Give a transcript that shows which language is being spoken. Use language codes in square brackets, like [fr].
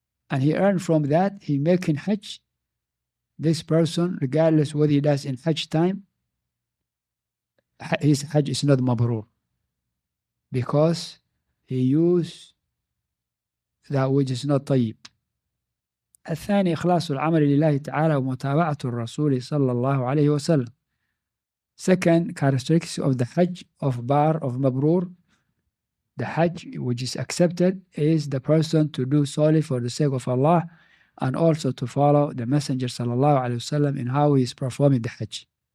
[en] and he earned from that, he making hajj, this person, regardless what he does in hajj time, his hajj is not mabrur, because he used that which is not tayyib. [ar] الثاني إخلاص العمل لله تعالى ومتابعة الرسول صلى الله عليه وسلم. [en] Second characteristics of the Hajj of Bar of Mabrur, the Hajj which is accepted, is the person to do solely for the sake of Allah and also to follow the Messenger sallallahu alayhi wa sallam in how he is performing the Hajj.